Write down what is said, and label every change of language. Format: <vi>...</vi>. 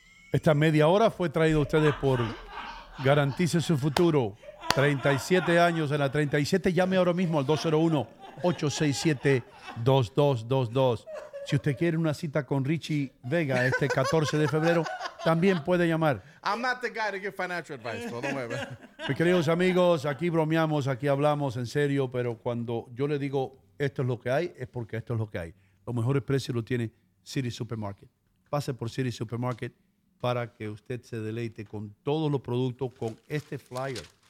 <es>Esta media hora fue traída a ustedes por Garantice Su Futuro. 37 años en la 37. Llame ahora mismo al 201-867-2222. Si usted quiere una cita con Richie Vega este 14 de febrero, también puede llamar.</es> <en>I'm not the guy to give financial advice, by the way.</en> <es>Mis queridos amigos, aquí bromeamos, aquí hablamos en serio, pero cuando yo le digo esto es lo que hay, es porque esto es lo que hay. Los mejores precios los tiene City Supermarket. Pase por City Supermarket para que usted se deleite con todos los productos, con este flyer.</es>